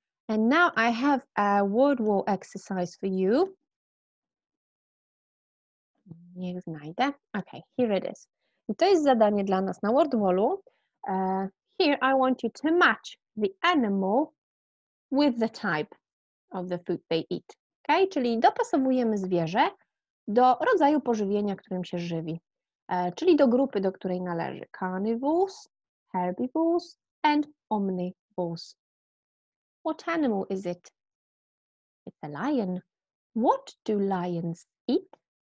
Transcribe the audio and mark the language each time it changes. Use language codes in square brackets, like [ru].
[en] And now I have a word wall exercise for you. [pl] Nie znajdę. [en] Okay, here it is. [pl] I to jest zadanie dla nas na word wallu. [en] Here I want you to match the animal with the type of the food they eat. [pl] Okay, czyli dopasowujemy zwierzę do rodzaju pożywienia, którym się żywi. Czyli do grupy, do której należy. [en] Carnivores, herbivores and omnivores. What animal is it? It's a lion. What do lions eat?